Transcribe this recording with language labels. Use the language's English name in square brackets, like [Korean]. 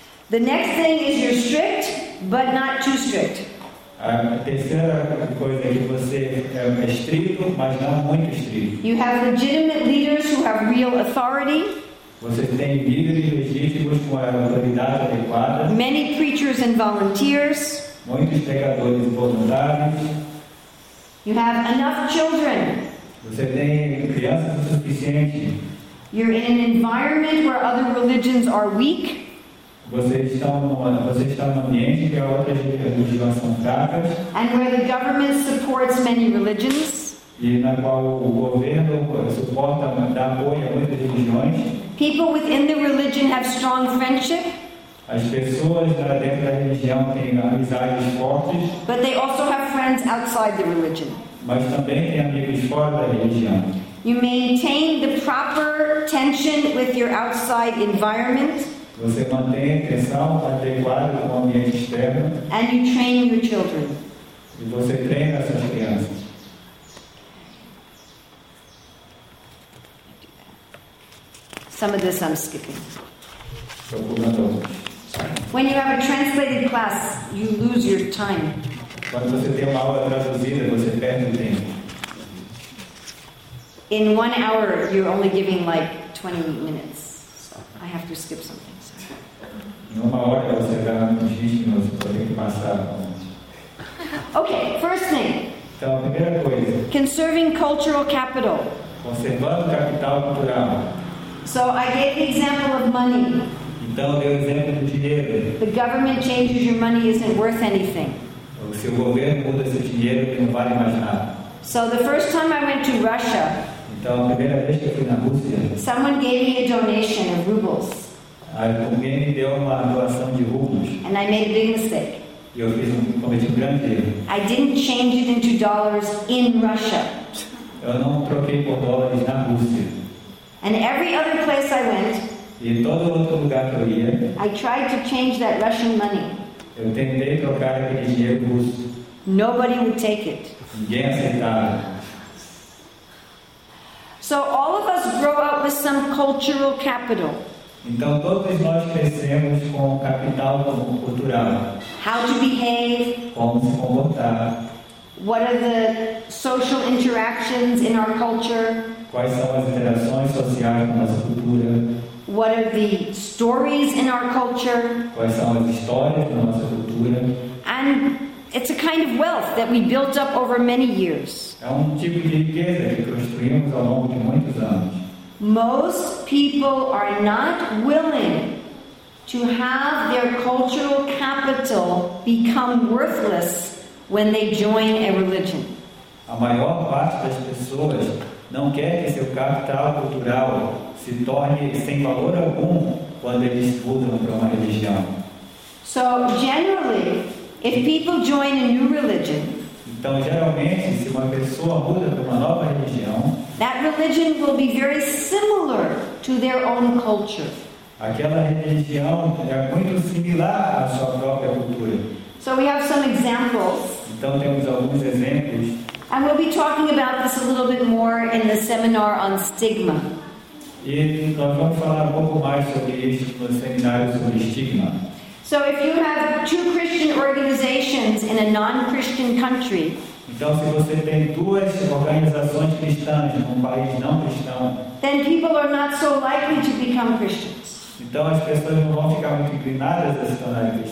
[English] The next thing is you're strict, but not too strict. [Portuguese] A terceira coisa é que você é estrito, mas não muito estrito. [English] You have legitimate leaders who have real authority. [Portuguese] Você tem líderes legítimos com a autoridade adequada. [English] Many preachers and volunteers. [Portuguese] Muitos pregadores e voluntários. [English] You have enough children. [Portuguese] Você tem crianças o suficiente. [English] You're in an environment where other religions are weak. [Portuguese] Você está num ambiente que outras religiões são fracas. [English] And where the government supports many religions. [Portuguese] E na qual o governo suporta, dá apoio a muitas religiões. [English] People within the religion have strong friendship. [Portuguese] As pessoas dentro da religião têm amizades fortes. [English] But they also have friends outside the religion. [Portuguese] Mas também têm amigos fora da religião. [English] You maintain the proper tension with your outside environment. [Portuguese] Você mantém a tensão adequada com o ambiente externo. [English] And you train your children. [Portuguese] E você treina suas crianças. [English] Some of this I'm skipping. [Portuguese] Procurando. [English] When you have a translated class, you lose your time. [Portuguese] Quando você tem uma aula traduzida, você perde o tempo. [English] In 1 hour, you're only giving like 20 minutes. So I have to skip something. [Portuguese] Numa hora você dá um dígito, você tem que passar. [English] Okay, first thing. [Portuguese] Então, a primeira coisa. [English] Conserving cultural capital. [Portuguese] Conservando capital cultural. [English] So I gave the example of money. [Portuguese] Então, eu dei o exemplo do dinheiro. [English] The government changes your money isn't worth anything. [Portuguese] Se o governo muda esse dinheiro, ele não vale mais nada. [English] So the first time I went to Russia, [Portuguese] então, a primeira vez que eu fui na Rússia, [English] someone gave me a donation of rubles. [Portuguese] Alguém me deu uma doação de rublos. [English] And I made a big mistake. [Portuguese] E eu cometi um grande erro. [English] I didn't change it into dollars in Russia. [Portuguese] Eu não troquei por dólares na Rússia. [English] And every other place I went, [Portuguese] e todo outro lugar que eu ia, [English] I tried to change that Russian money. [Portuguese] Eu tentei trocar aquele dinheiro russo. [English] Nobody would take it. [Portuguese] Ninguém aceitava. [English] So all of us grow up with some cultural capital. [Portuguese] Então todos nós crescemos com capital cultural. [English] How to behave? [Portuguese] Como se comportar? [English] What are the social interactions in our culture? [Portuguese] Quais são as interações sociais na nossa cultura? [English] What are the stories in our culture? [Portuguese] Quais são as histórias da nossa cultura? [English] And it's a kind of wealth that we built up over many years. [Portuguese] É tipo de riqueza que construímos ao longo de muitos anos. [English] Most people are not willing to have their cultural capital become worthless when they join a religion. [Portuguese] A maior parte das pessoas não quer que seu capital cultural se torne sem valor algum quando eles mudam para uma religião. [English] So, generally, if people join a new religion, [Portuguese] então, geralmente, se uma pessoa muda para uma nova religião, [English] that religion will be very similar to their own culture. [Portuguese] Aquela religião é muito similar à sua própria cultura. [English] So we have some examples. [Portuguese] Então, temos alguns exemplos. [English] And we'll be talking about this a little bit more in the seminar on stigma. [Portuguese] E nós vamos falar um pouco mais sobre isso no seminário sobre estigma. [English] So if you have two Christian organizations in a non-Christian country, [Portuguese] então se você tem duas organizações cristãs em um país não cristão, [English] then people are not so likely to become Christians. [Portuguese] Então as pessoas não vão ficar muito inclinadas a se tornar cristãs.